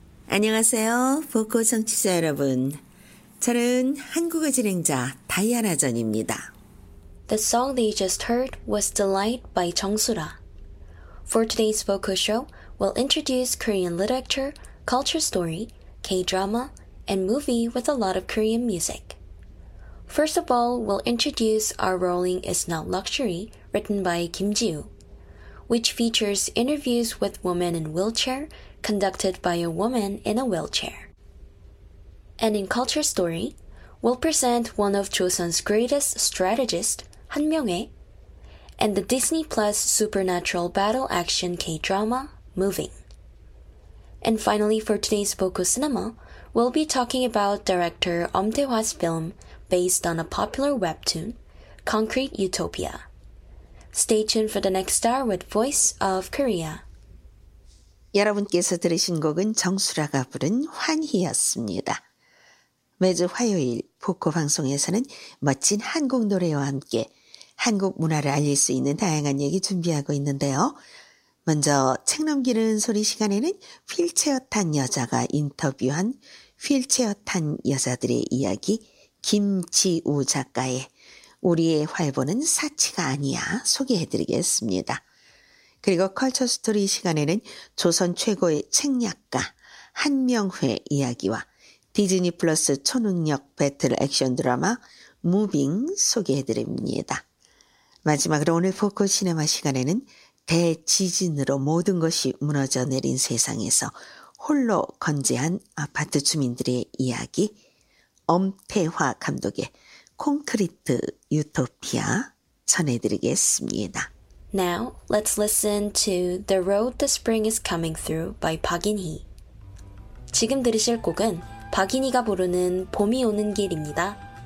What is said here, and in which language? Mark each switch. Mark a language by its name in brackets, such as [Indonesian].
[Korean] 안녕하세요, 보코 청취자 여러분. 저는 한국어 진행자 다이아나 전입니다. [English] The song they just heard was Delight by 정수라. For today's Voco show, we'll introduce Korean literature, culture story, K-drama, and movie with a lot of Korean music. First of all, we'll introduce Our Rolling Is Not Luxury, written by Kim Ji-woo, which features interviews with women in wheelchair conducted by a woman in a wheelchair. And in culture story, we'll present one of Joseon's greatest strategists, Han Myung-hae, and the Disney Plus supernatural battle action K-drama, Moving. And finally, for today's Boku Cinema, we'll be talking about director Om Tae-hwa's film based on a popular webtoon, Concrete Utopia. Stay tuned for the next hour with Voice of Korea. [Korean] 여러분께서 들으신 곡은 정수라가 부른 환희였습니다. 매주 화요일 보코 방송에서는 멋진 한국 노래와 함께 한국 문화를 알릴 수 있는 다양한 얘기 준비하고 있는데요. 먼저 책 넘기는 소리 시간에는 휠체어 탄 여자가 인터뷰한 휠체어 탄 여자들의 이야기 김지우 작가의 우리의 활보는 사치가 아니야 소개해드리겠습니다. 그리고 컬처 스토리 시간에는 조선 최고의 책략가 한명회 이야기와 디즈니 플러스 초능력 배틀 액션 드라마 무빙 소개해드립니다. 마지막으로 오늘 포커 시네마 시간에는 대지진으로 모든 것이 무너져 내린 세상에서 홀로 건재한 아파트 주민들의 이야기 엄태화 감독의 콘크리트 유토피아 전해드리겠습니다. [English] Now, let's listen to The Road the Spring is Coming Through by 박인희. [Korean] 지금 들으실 곡은 박인희가 부르는 봄이 오는 길입니다.